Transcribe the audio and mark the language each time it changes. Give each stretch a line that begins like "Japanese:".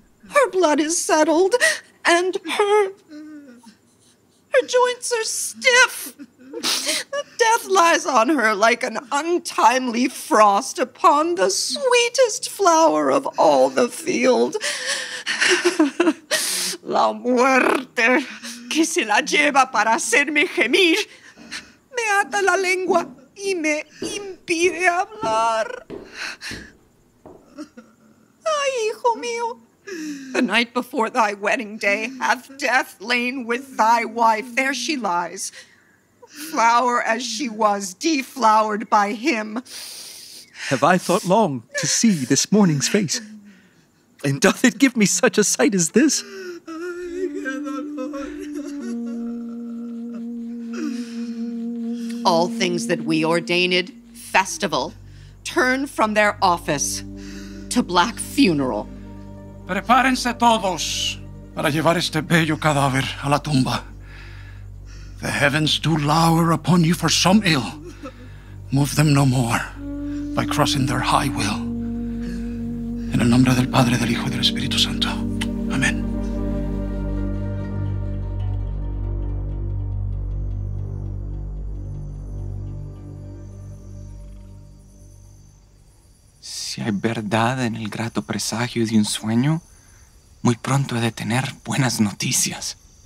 English: Her blood is settled, and her joints are stiff. Death lies on her like an untimely frost upon the sweetest flower of all the field.
Spanish: La muerte que se la lleva para hacerme gemir me ata la lengua y me impide hablar. Ay, hijo mío.
English: The night before thy wedding day hath death lain with thy wife. There she lies, flower as she was, deflowered by him. Have I thought long to see this morning's face? And doth it give me such a sight as this? All things that we ordained festival turn from their office to black funeral.
Spanish: Prepárense todos para llevar este bello cadáver a la tumba.
English: The heavens do lower upon you for some ill. Move them no more by crossing their high will.
Spanish: En el nombre del Padre, del Hijo y del Espíritu Santo. Amén. Si hay verdad en el grato presagio de un sueño, muy pronto he de tener buenas noticias.